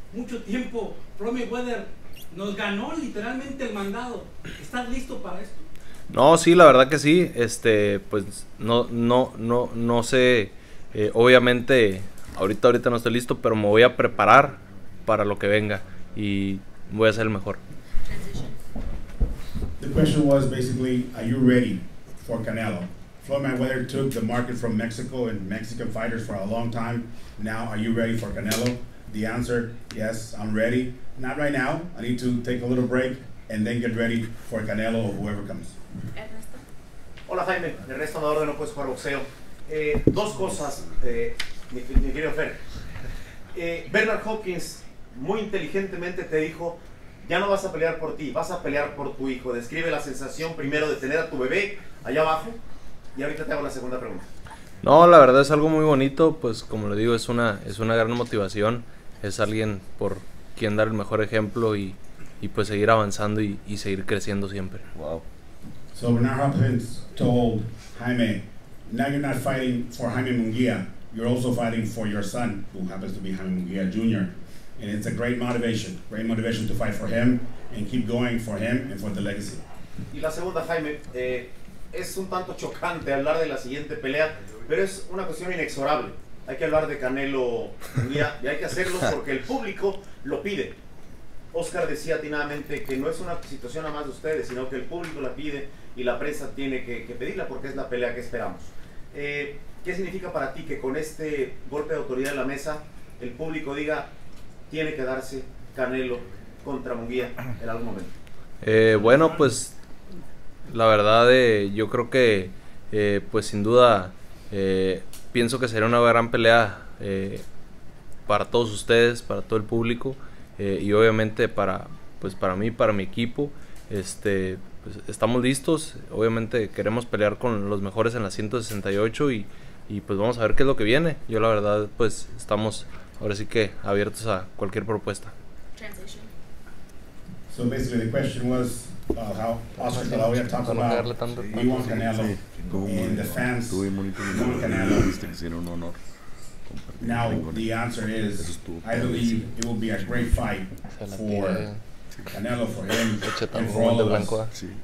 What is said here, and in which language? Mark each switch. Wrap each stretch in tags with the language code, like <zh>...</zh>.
<es>Mucho tiempo, Floyd Mayweather nos ganó literalmente el mandado. ¿Estás listo para esto? No, sí, la verdad que sí. No sé. Obviamente, ahorita no estoy listo, pero me voy a preparar para lo que venga y voy a ser el mejor.</es> <en>The question was basically, are you ready for Canelo? Floyd Mayweather took the market from Mexico and Mexican fighters for a long time. Now, are you ready for Canelo? The answer, yes, I'm ready. Not right now. I need to take a little break and then get ready for Canelo or whoever comes.</en> <es>Ernesto. Hola, Jaime. Ernesto Amador de No Puedes Jugar Boxeo. Dos cosas, mi querido Fer. Bernard Hopkins muy inteligentemente te dijo, ya no vas a pelear por ti, vas a pelear por tu hijo. Describe la sensación primero de tener a tu bebé allá abajo y ahorita te hago la segunda pregunta. No, la verdad es algo muy bonito. Pues como le digo, es una gran motivación. Es alguien por quien dar el mejor ejemplo y pues seguir avanzando y seguir creciendo siempre. Wow.</es> <en>So Bernard Hopkins told Jaime, now you're not fighting for Jaime Munguia, you're also fighting for your son, who happens to be Jaime Munguia Jr. And it's a great motivation to fight for him and keep going for him and for the legacy.</en> <es>Y la segunda, Jaime, es un tanto chocante hablar de la siguiente pelea, pero es una cuestión inexorable. Hay que hablar de Canelo Munguia y hay que hacerlo porque el público lo pide. Oscar decía atinadamente que no es una situación nada más de ustedes, sino que el público la pide y la prensa tiene que pedirla porque es la pelea que esperamos. ¿Qué significa para ti que con este golpe de autoridad en la mesa el público diga tiene que darse Canelo contra Munguia en algún momento? Bueno, pues la verdad, yo creo que pues sin duda Pienso que sería una gran pelea para todos ustedes, para todo el público, y obviamente para mí, para mi equipo. Pues estamos listos, obviamente queremos pelear con los mejores en la 168 y pues vamos a ver qué es lo que viene. Yo la verdad, pues estamos ahora sí que abiertos a cualquier propuesta.</es> <en>Translation. So basically the question was how Oscar De La Hoya talked about Juan Canelo and the fans Juan Canelo. Now the answer is I believe it will be a great fight for Canelo, for him, and for all of us.</en>